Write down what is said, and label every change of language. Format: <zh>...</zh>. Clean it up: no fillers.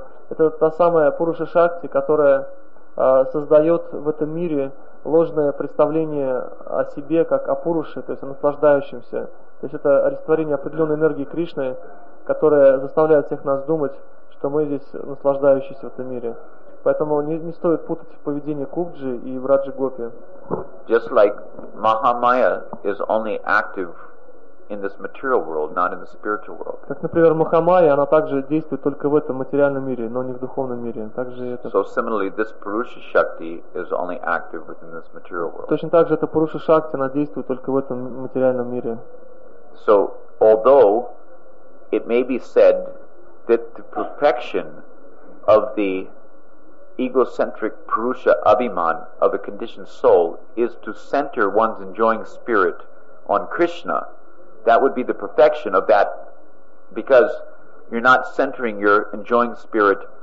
<ru>Это та самая Пуруша Шакти, которая создает в этом мире ложное представление о себе как о Пуруше, то есть о наслаждающемся. То есть это олицетворение определенной энергии Кришны, которая заставляет всех нас думать, что мы здесь наслаждающиеся в этом мире. Поэтому не стоит путать поведение Кубджи и Враджи Гопи.</ru> <en>Just like Mahamaya is only active in this material world, not in the spiritual world.</en> <ru>Как, например, Махамайя, она также действует только в этом материальном мире, но не в духовном мире. Также это.</ru> <en>So similarly, this Purusha Shakti is only active within this material world.</en> <ru>Точно так же эта Пуруша Шакти, она действует только в этом материальном мире.</ru> <en>So although it may be said that the perfection of the egocentric Purusha Abhiman of a conditioned soul is to center one's enjoying spirit on Krishna, that would be the perfection of that, because you're not centering your enjoying spirit</en>